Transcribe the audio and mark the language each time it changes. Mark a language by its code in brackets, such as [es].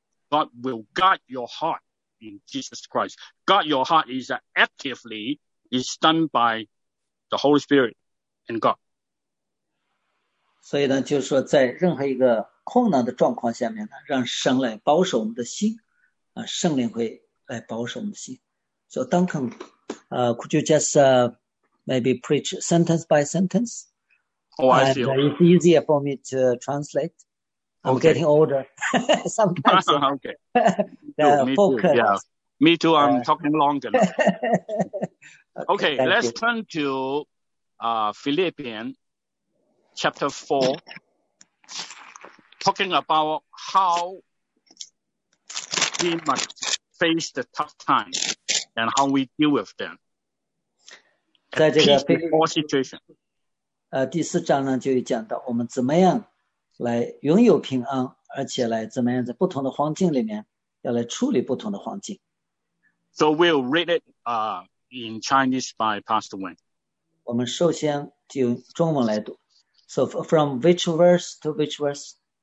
[en] God will guard your heart in Jesus Christ. Guard your heart is actively is done by the Holy Spirit and God. [zh] 所以呢，就是说在任何一个困难的状况下面呢，让神来保守我们的心，圣灵会来保守我们的心。 [en] So Duncan, could you just maybe preach sentence by sentence? Oh, I see. It's easier for me to translate. I'm getting older sometimes. Okay. Focus. Yeah. Me too. I'm talking longer. okay. Let's turn to Philippians chapter 4. Talking about how we must face the tough times and how we deal with them. At peace in all situations. [zh] 第四章呢，就有讲到我们怎么样来拥有平安，而且来怎么样在不同的环境里面要来处理不同的环境。 [en] So we'll read it in Chinese by Pastor Wen. [zh] 我们首先就用中文来读。 [en] So from which verse to which verse?